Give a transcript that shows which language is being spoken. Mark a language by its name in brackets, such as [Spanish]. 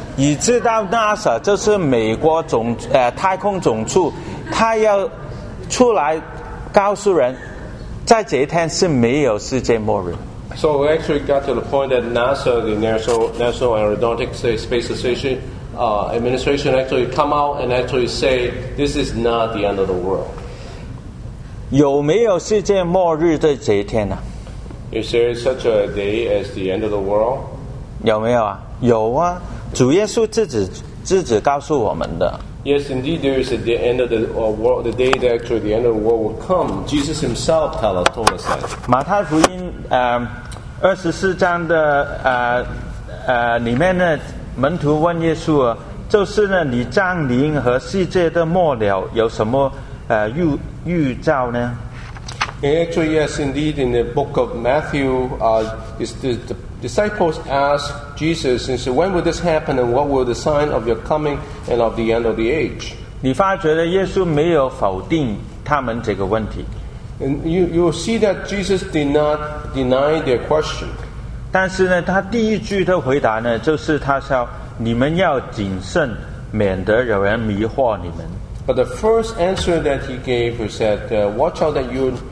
[Chinese] 你知道 NASA 就是美国太空总署 他要出来告诉人 在这一天是没有世界末日。 [English] So we actually got to the point that NASA, the National Aeronautics Space Association, administration actually come out and actually say this is not the end of the world. [Chinese] 有没有世界末日的这一天呢? [English] Is there such a day as the end of the world? [Chinese] 有没有啊? 有啊, 主耶稣自己告诉我们的。 [English] Yes, indeed, there is a the end of the world, the day that actually the end of the world will come. Jesus himself told us that. [Chinese] 马太福音, 24章的, 里面呢, 门徒问耶稣, 就是呢, 你降临和世界的末了, 有什么, 预兆呢? [English] Actually, yes, indeed, in the book of Matthew, the disciples asked Jesus, and said, when will this happen, and what will the sign of your coming and of the end of the age? [Chinese] 你发觉耶稣没有否定他们这个问题。 [English] And you will see that Jesus did not deny their question. [Chinese] 但是呢, 他第一句的回答呢, 就是他说,你们要谨慎,免得有人迷惑你们。 [English] But the first answer that he gave, he said, watch out that you...